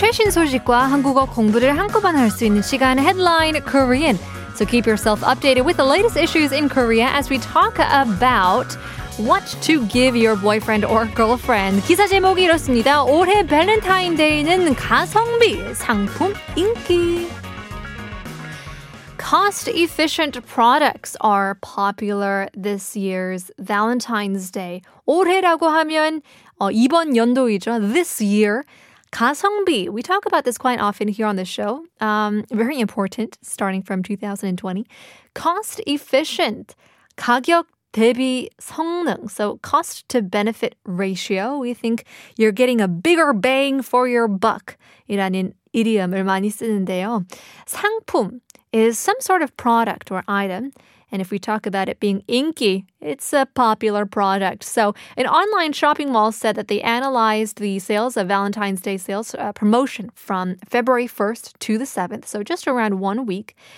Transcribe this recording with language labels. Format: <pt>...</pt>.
<ko>뉴스 소식과 한국어 공부를 한꺼번에 할 수 있는 시간, Headline Korean.</ko> <en>So keep yourself updated with the latest issues in Korea as we talk about what to give your boyfriend or girlfriend.</en> <ko>기사 제목이 이렇습니다. 올해 밸런타인데이는 가성비 상품 인기.</ko> <en>Cost-efficient products are popular this year's Valentine's Day.</en> <ko>올해라고 하면 이번 연도이죠.</ko> <en>This year, 가성비. We talk about this quite often here on the show. Very important, starting from 2020.</en> <ko>Cost-efficient, 가격 대비 성능.</ko> <en>So cost-to-benefit ratio. We think you're getting a bigger bang for your buck.</en> <ko>이라는 idiom을 많이 쓰는데요. 상품.</ko> <en>Is some sort of product or item. And if we talk about it being inky, it's a popular product. So an online shopping mall said that they analyzed the sales of Valentine's Day sales promotion from February 1st to the 7th, so just around 1 week.</en>